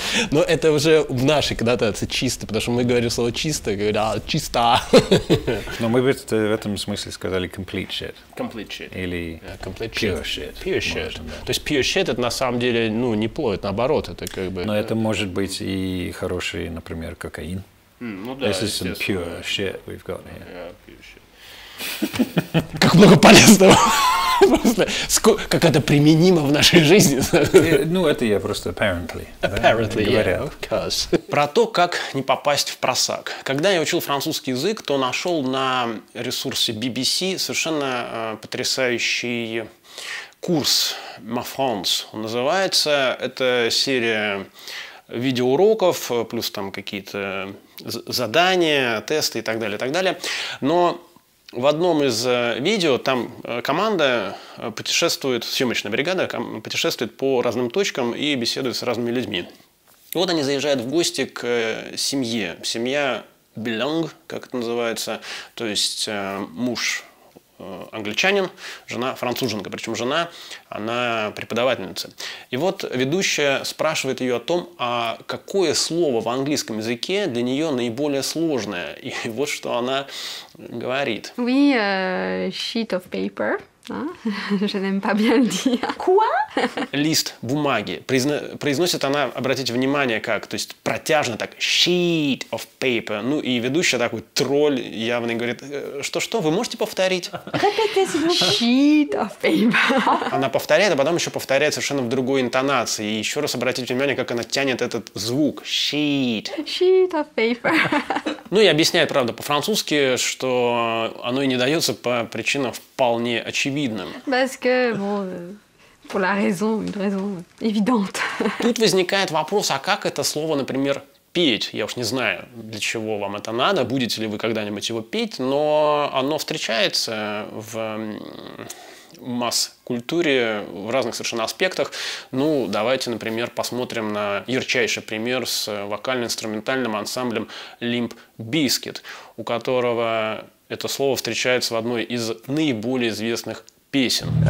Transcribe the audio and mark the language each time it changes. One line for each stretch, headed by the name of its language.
Russian: Но это уже в нашей коннотации чисто, потому что мы говорим слово чисто, говорим, а, чисто. Но мы бы в этом смысле сказали
English: complete shit. Complete shit.
Russian: Или
English: complete shit. Pure shit. Pure shit.
Russian: Можно, да. То есть pure shit это на самом деле ну, не плоть, наоборот, это как бы. Но это может быть и хороший, например, кокаин. Ну да.
English: This is some pure shit we've got here. Yeah, pure shit.
Russian: Как много полезного. Просто как это применимо в нашей жизни. Ну, это я просто apparently.
English: Apparently, да, yeah, of course.
Russian: Про то, как не попасть в просак. Когда я учил французский язык, то нашел на ресурсе BBC совершенно потрясающий курс «Ma France». Он называется. Это серия видеоуроков, плюс там какие-то задания, тесты и так далее, и так далее. Но в одном из видео там команда путешествует, съемочная бригада путешествует по разным точкам и беседует с разными людьми. И вот они заезжают в гости к семье. Семья Белонг, как это называется, то есть муж англичанин, жена француженка, причем жена, она преподавательница. И вот ведущая спрашивает ее о том, а какое слово в английском языке для нее наиболее сложное. И вот что она говорит.
French: Oui,
English: sheet of paper.
French: Je n'aime pas bien le dire. Quoi?
Russian: Лист бумаги. Произносит она, обратите внимание, как, то есть протяжно так,
English: sheet of paper.
Russian: Ну и ведущая такой тролль явный говорит, что-что, вы можете повторить?
English: Sheet of paper.
Russian: Она повторяет, а потом еще повторяет совершенно в другой интонации. И еще раз обратите внимание, как она тянет этот звук.
English: Sheet. Sheet of paper.
Russian: Ну и объясняет, правда, по-французски, что оно и не дается по причинам вполне очевидным.
French: Parce que, bon, pour la raison, une raison évidente.
Russian: Тут возникает вопрос, а как это слово, например, петь? Я уж не знаю, для чего вам это надо, будете ли вы когда-нибудь его петь, но оно встречается в масс-культуре в разных совершенно аспектах. Ну, давайте, например, посмотрим на ярчайший пример с вокально-инструментальным ансамблем Limp Bizkit, у которого это слово встречается в одной из наиболее известных песен.